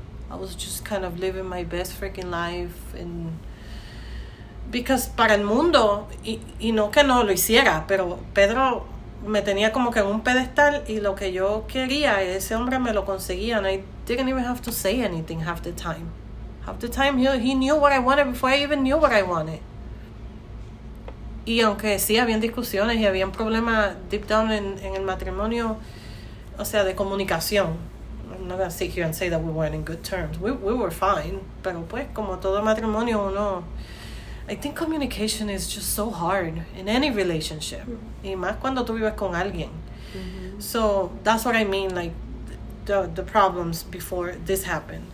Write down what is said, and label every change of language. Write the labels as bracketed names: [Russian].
[Spanish] I was just kind of living my best freaking life. And because para el mundo, y no que no lo hiciera, pero Pedro me tenía como que en un pedestal, y lo que yo quería, ese hombre me lo conseguía. [English] And I didn't even have to say anything half the time. Half the time, he knew what I wanted before I even knew what I wanted. [Spanish] Y aunque sí, habían discusiones y habían problemas deep down en el matrimonio, o sea, de comunicación. [English] I'm not going to sit here and say that we weren't in good terms. We were fine. Pero pues, como todo matrimonio, uno I think communication is just so hard in any relationship. Y más cuando tú vives con alguien. So that's what I mean, like the problems before this happened.